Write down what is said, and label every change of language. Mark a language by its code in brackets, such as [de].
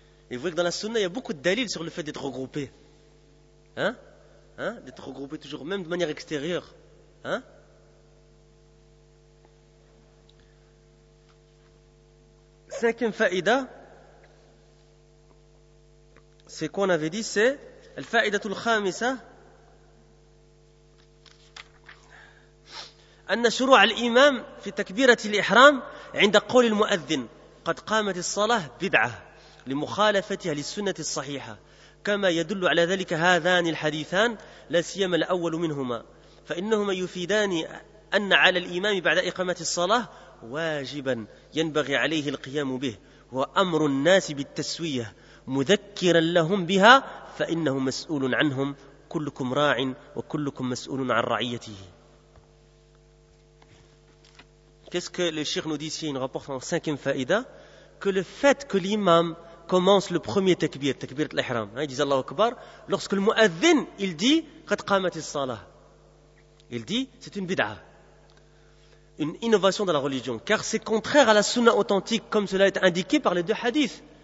[fr] Et vous voyez que dans la sunna, il y a beaucoup de dalils sur le fait d'être regroupé. D'être regroupé toujours, même de manière extérieure. Cinquième faïda. C'est quoi on avait dit? C'est le [ar] faïda tul khamisa. أن شروع الإمام في تكبيرة الإحرام عند قول المؤذن قد قامت الصلاة بدعة لمخالفتها للسنة الصحيحة كما يدل على ذلك هذان الحديثان لا سيما الأول منهما فإنهما يفيدان أن على الإمام بعد إقامة الصلاة واجبا ينبغي عليه القيام به وأمر الناس بالتسوية مذكرا لهم بها فإنه مسؤول عنهم كلكم راع وكلكم مسؤول عن رعيته. [fr] Qu'est-ce que le Cheikh nous dit ici? Il nous rapporte en cinquième faïda que le fait que l'imam commence le premier takbir, takbir l'ihram, il dit Allahu Akbar, lorsque le mu'adhin, il dit [ar] qad qamat as-salah, [fr] il dit c'est une bid'a, une innovation dans la religion, car c'est contraire à la sunna authentique comme cela est indiqué par les deux hadiths.